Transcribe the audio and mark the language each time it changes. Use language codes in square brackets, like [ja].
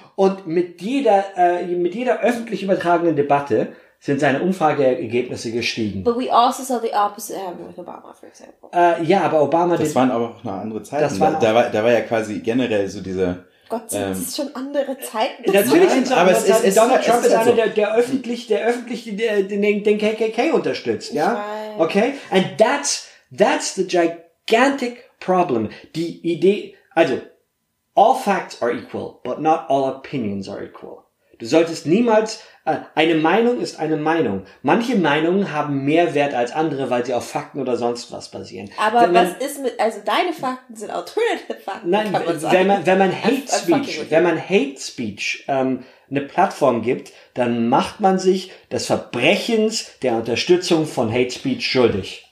[de] Und mit jeder öffentlich übertragenen Debatte sind seine Umfrageergebnisse gestiegen. [en] But we also saw the opposite happen with Obama, for example. [de] Ja, aber Obama... Das waren aber auch noch andere Zeiten. Da war ja quasi generell so diese... Gott, sind es schon andere Zeiten? Natürlich sind es andere Zeiten. Donald Trump ist einer, der öffentlich den KKK unterstützt. Ja? Okay? [en] And that's the gigantic problem. [de] Die Idee... Also... [en] All facts are equal, but not all opinions are equal. [de] Du solltest niemals... eine Meinung ist eine Meinung. Manche Meinungen haben mehr Wert als andere, weil sie auf Fakten oder sonst was basieren. Aber Also deine Fakten sind alternative Fakten, nein, kann man sagen. Wenn man Hate Speech eine Plattform gibt, dann macht man sich des Verbrechens der Unterstützung von Hate Speech schuldig.